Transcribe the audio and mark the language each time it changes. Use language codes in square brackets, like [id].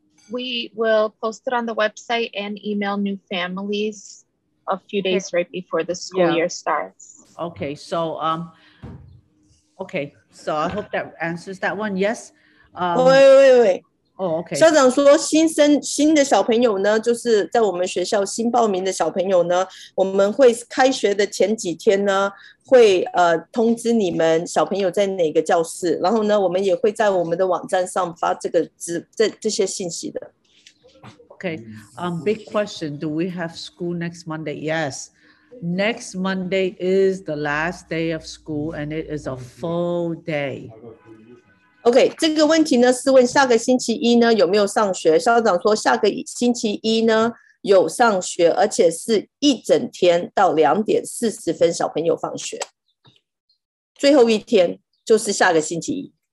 [en] We will post it on the website and email new familiesa few days right before the school year starts. Okay, so, okay, so I hope that answers that one. Yes. Wait. Oh, okay. [zh] 校长说新的小朋友呢，就是在我们学校新报名的小朋友呢，我们会开学的前几天呢，会通知你们小朋友在哪个教室，然后呢，我们也会在我们的网站上发这些信息的。 [en] Okay, big question. Do we have school next Monday? Yes. Next Monday is the last day of school and it is a full day. [zh] OK， 这个问题呢是问下个星期一呢有没有上学，校长说下个星期一呢有上学，而且是一整天到2:40小朋友放学，最后一天就是下个星期一。